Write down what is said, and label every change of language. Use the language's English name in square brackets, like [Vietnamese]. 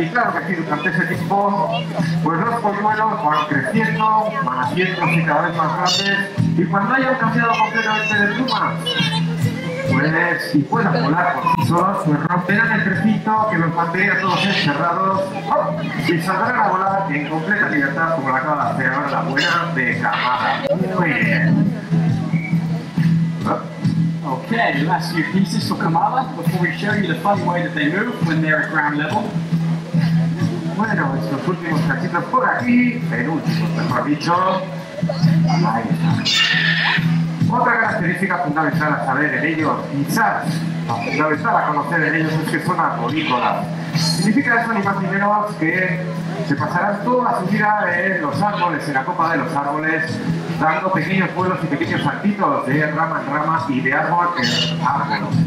[Spanish] Y claro que sí, durante ese tiempo, pues los polluelos van creciendo, van haciéndose cada vez más grandes y cuando hayan cambiado completamente de pluma, pues si puedan volar por sí solos, pues romperán el precinto que los mantenía todos encerrados y saldrán a volar en completa libertad como la acaba de hacer ahora la buena de Kamana. Muy bien. [English] Okay, last few pieces for Kamala before we show you the fun way that they move when they're at ground level. [Spanish] Bueno, estos últimos cachitos por aquí, penúltimos, mejor dicho. Ahí está. Otra característica fundamental a saber en ellos, quizás fundamental a conocer en ellos, es que son arborícolas. Significa eso ni más ni menos que se pasarán toda su vida en los árboles, en la copa de los árboles, dando pequeños vuelos y pequeños saltitos de rama en rama y de árbol en árbol.